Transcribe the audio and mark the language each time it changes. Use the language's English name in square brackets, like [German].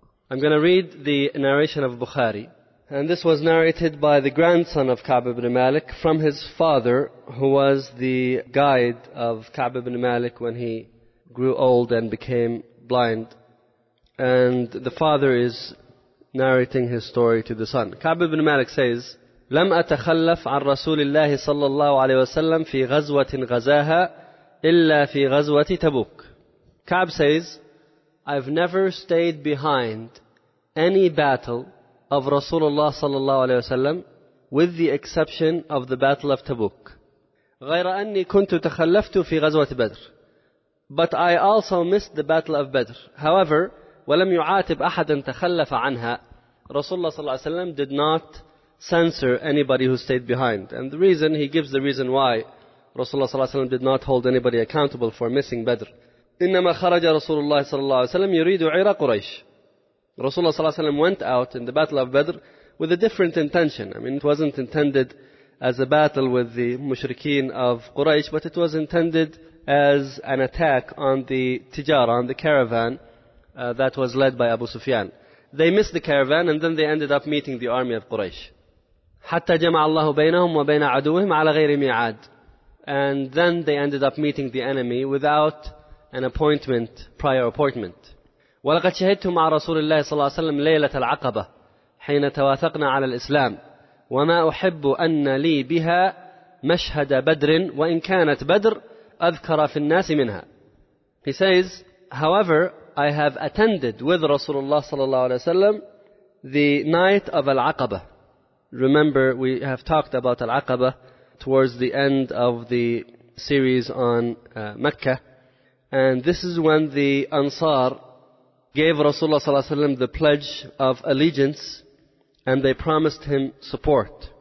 [English] I'm going to read the narration of Bukhari. And this was narrated by the grandson of Ka'b ibn Malik from his father, who was the guide of Ka'b ibn Malik when he grew old and became blind. And the father is narrating his story to the son. Ka'b ibn Malik says, [Arabic] لم أتخلف عن رسول الله صلى الله عليه وسلم في غزوة غزاها إلا في غزوة تبوك. [English] Ka'b says, I've never stayed behind any battle of Rasulullah صلى الله عليه وسلم with the exception of the battle of Tabuk. [Arabic] غير أني كنت تخلفت في غزوة بدر. [English] But I also missed the battle of Badr. However, [Arabic] ولم يعاتب أحدا تخلف عنها. [English] Rasulullah صلى الله عليه وسلم did not censor anybody who stayed behind. And the reason, he gives the reason why Rasulullah ﷺ did not hold anybody accountable for missing Badr. [Arabic] إِنَّمَا خَرَجَ رَسُولُ اللَّهِ صَلَى اللَّهِ وَسَلَمْ يُرِيدُ عِرَى قُرَيْشِ [English] Rasulullah ﷺ went out in the Battle of Badr with a different intention. I mean, it wasn't intended as a battle with the mushrikeen of Quraysh, but it was intended as an attack on the tijara, on the caravan that was led by Abu Sufyan. They missed the caravan and then they ended up meeting the army of Quraysh. [Arabic] حتى جمع الله بينهم وبين عدوهم على غير ميعاد. [English] And then they ended up meeting the enemy without an appointment, prior appointment. [Arabic] ولقد شهدت مع رسول الله صلى الله عليه وسلم ليلة العقبة حين تواثقنا على الإسلام وما أحب أن لي بها مشهد بدر وإن كانت بدر أذكر في الناس منها. [English] He says, however, I have attended with Rasulullah sallallahu alaihi wasallam the night of Al-Aqaba. Remember, we have talked about Al-Aqaba towards the end of the series on Mecca. And this is when the Ansar gave Rasulullah sallallahu alaihi wasallam the pledge of allegiance and they promised him support.